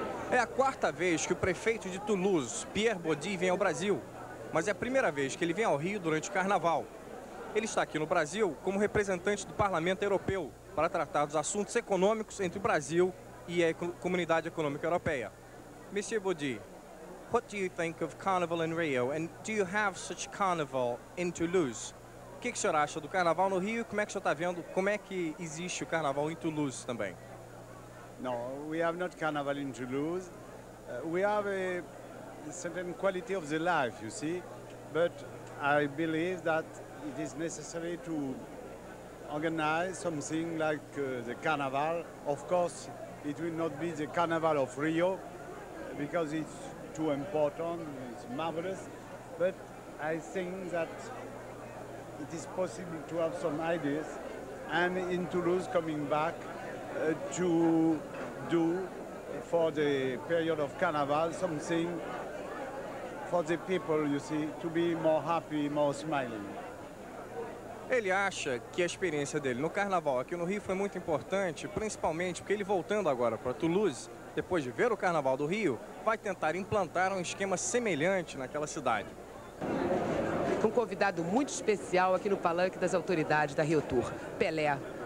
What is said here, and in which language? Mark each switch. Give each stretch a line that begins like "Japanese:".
Portuguese: É a quarta vez que o prefeito de Toulouse, Pierre Bodi, vem ao Brasil. Mas é a primeira vez que ele vem ao Rio durante o carnaval. Ele está aqui no Brasil como representante do Parlamento Europeu para tratar dos assuntos econômicos entre o Brasil e a Comunidade Econômica Europeia.
English: Monsieur Bodi, what do you think of carnival in Rio? And do you have such carnival in Toulouse?
Portuguese: O que, que o senhor acha do carnaval no Rio e como é que o senhor está vendo como é que existe o carnaval em Toulouse também?
English: No, we have not carnaval in Toulouse. We have a certain quality of the life, you see. But I believe that it is necessary to organize something like the carnaval. Of course, it will not be the carnaval of Rio because it's too important, it's marvelous, but I think that it is possible to have some ideas and in Toulouse coming back to do for the period of Carnaval something for the people, you see, to be more happy, more smiling.
Portuguese: Ele acha que a experiência dele no Carnaval aqui no Rio foi muito importante, principalmente porque ele voltando agora para Toulouse, depois de ver o Carnaval do Rio, vai tentar implantar um esquema semelhante naquela cidade. Um convidado muito especial aqui no palanque das autoridades da Rio Tour, Pelé.